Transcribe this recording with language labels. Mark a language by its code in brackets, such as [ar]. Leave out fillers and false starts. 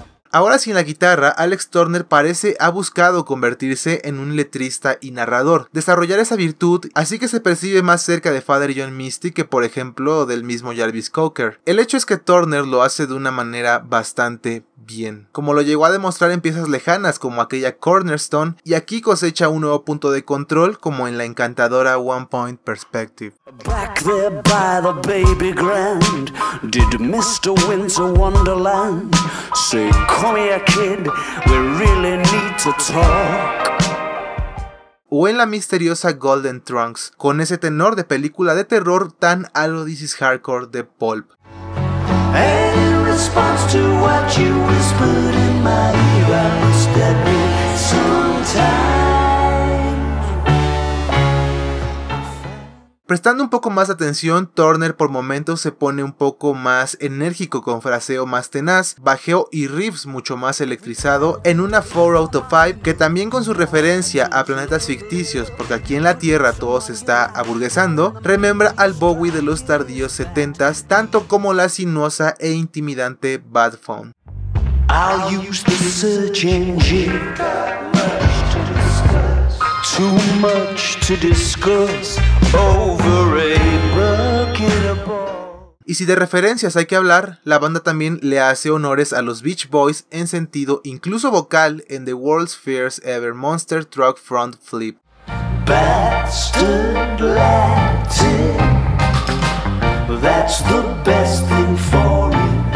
[es] Ahora sin la guitarra, Alex Turner parece ha buscado convertirse en un letrista y narrador, desarrollar esa virtud, así que se percibe más cerca de Father John Misty que, por ejemplo, del mismo Jarvis Cocker. El hecho es que Turner lo hace de una manera bastante bien, como lo llegó a demostrar en piezas lejanas como aquella Cornerstone, y aquí cosecha un nuevo punto de control como en la encantadora One Point Perspective. [en] Back there by the baby grand, did Mr. Winter Wonderland say, come here kid, we really need to talk. [es] O en la misteriosa Golden Trunks, con ese tenor de película de terror tan a lo This Is Hardcore de Pulp. [en] Hey, in response to what you whispered in my ear, I whispered me sometimes. [es] Prestando un poco más de atención, Turner por momentos se pone un poco más enérgico, con fraseo más tenaz, bajeo y riffs mucho más electrizado en una 4 out of 5, que también, con su referencia a planetas ficticios, porque aquí en la Tierra todo se está aburguesando, remembra al Bowie de los tardíos 70s, tanto como la sinuosa e intimidante Bad Phone. [en] I'll use the search engine. Too much to discuss. Over a bucket of balls. [es] Y si de referencias hay que hablar, la banda también le hace honores a los Beach Boys en sentido incluso vocal en The World's Fierce Ever Monster Truck Front Flip. [en] Bastard Latin, that's the best thing for me.